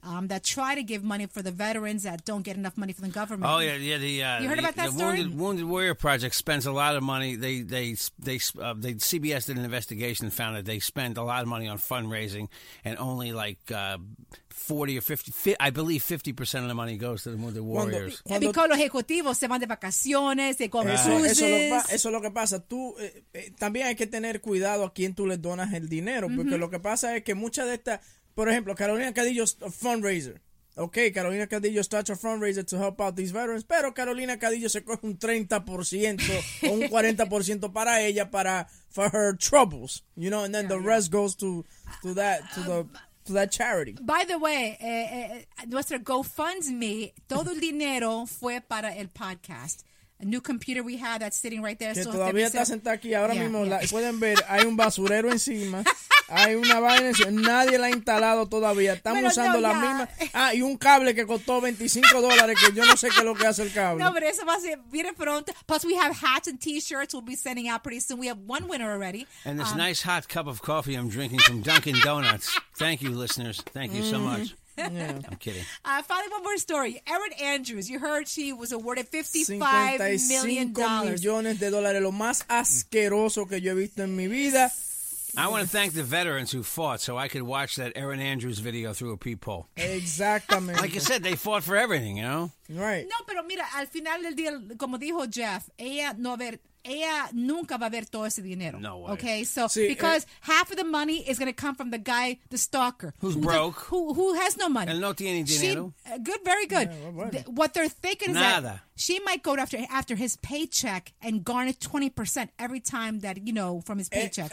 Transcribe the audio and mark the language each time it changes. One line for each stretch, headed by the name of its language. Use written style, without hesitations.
English: That try to give money for the veterans that don't get enough money from the government. Oh yeah, yeah. The you heard about that the story? Wounded Warrior Project spends a lot of money. CBS did an investigation and found that they spend a lot of money on fundraising and only like 50% of the money goes to the Wounded Warriors.
Spanish: Cuando los ejecutivos se van de vacaciones, se comen cruces. Eso es lo que pasa. También hay que tener cuidado a quién tú le donas el dinero, mm-hmm. porque lo que pasa es que muchas de estas, por ejemplo, Carolina Cadillo es
English: a fundraiser. Okay, Carolina Cadillo starts a fundraiser to help out these veterans,
Spanish: pero Carolina Cadillo se coge un 30% o un 40% para ella,
English: for her troubles, you know, and then the rest goes to that charity. By the way,
Spanish: nuestro GoFundMe, todo el dinero fue para el podcast.
English: A new computer we have that's sitting right there.
Spanish: Que so todavía está sentada aquí. Ahora mismo, pueden ver, hay un basurero encima. Hay una vaina. Nadie la ha instalado todavía. Estamos usando la misma. Ah, y un cable que costó $25, que yo no sé qué es lo que hace el cable. No, pero eso va a ser bien pronto.
English: Plus, we have hats and T-shirts we'll be sending out pretty soon. We have one winner already. And this nice hot cup of coffee I'm drinking from Dunkin' Donuts. Thank you, listeners. Thank you so much. Yeah. I'm kidding. Finally, one more story. Erin Andrews, you heard she was awarded $55 million.
Spanish: Lo más asqueroso que yo he visto en mi vida.
English: I want to thank the veterans who fought so I could watch that Erin Andrews video through a peephole. Exactly. Like you said, they fought for everything, you know? Right.
Spanish: No, pero mira, al final del día, como dijo Jeff, ella no haber ella nunca va a ver todo ese dinero.
English: No way. Okay, so because half of the money is going to come from the guy, the stalker. Who's broke. Who has no money.
Spanish: El no tiene dinero.
English: Very good. Yeah, bueno. What they're thinking is that she might go after his paycheck and garner 20% every time that, you know, from his paycheck.